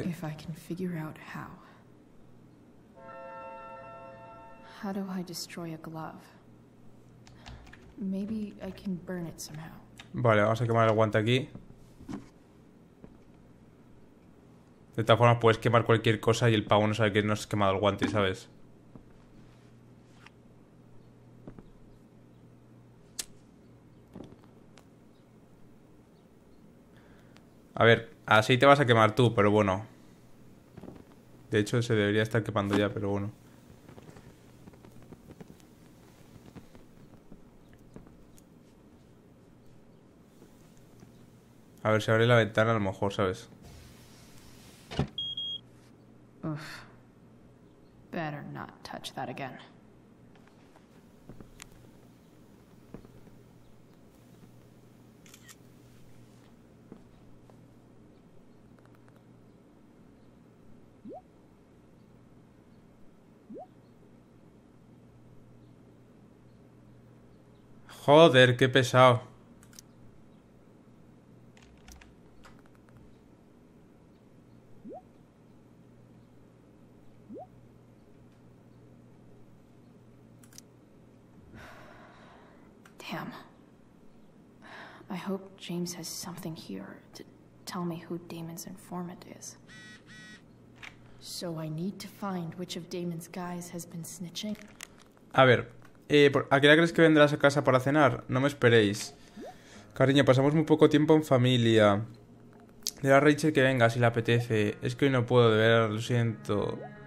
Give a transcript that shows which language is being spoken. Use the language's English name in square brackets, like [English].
[English] If I can figure out how do I destroy a glove? Maybe I can burn it somehow. [Spanish] Vale, vamos a quemar el guante aquí. De todas formas, puedes quemar cualquier cosa y el pavo no sabe que no has quemado el guante, ¿sabes? A ver. Así te vas a quemar tú, pero bueno. De hecho, se debería estar quemando ya, pero bueno. A ver si abre la ventana, a lo mejor, ¿sabes? Uf. [English] Better not touch that again. [Spanish] Joder, qué pesado. [English] Damn. I hope James has something here to tell me who Damon's informant is. So I need to find which of Damon's guys has been snitching. [Spanish] A ver. ¿A qué hora crees que vendrás a casa para cenar? No me esperéis. Cariño, pasamos muy poco tiempo en familia. Dile a Rachel que venga si le apetece. Es que hoy no puedo, de verdad, lo siento.